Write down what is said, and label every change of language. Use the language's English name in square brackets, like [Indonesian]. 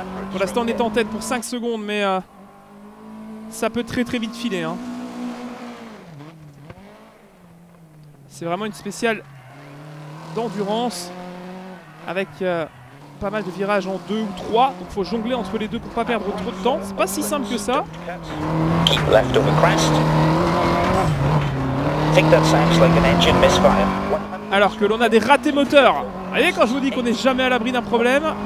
[French] Pour l'instant, on est en tête pour 5 secondes, mais ça peut très très vite filer. Hein. C'est vraiment une spéciale d'endurance avec pas mal de virages en 2 ou 3. Donc il faut jongler entre les deux pour ne pas perdre trop de temps. C'est pas si simple que ça. [English] Keep left over crest. I think that sounds like an engine misfire. [French] Alors que l'on a des ratés moteurs. Vous voyez quand je vous dis qu'on n'est jamais à l'abri d'un problème.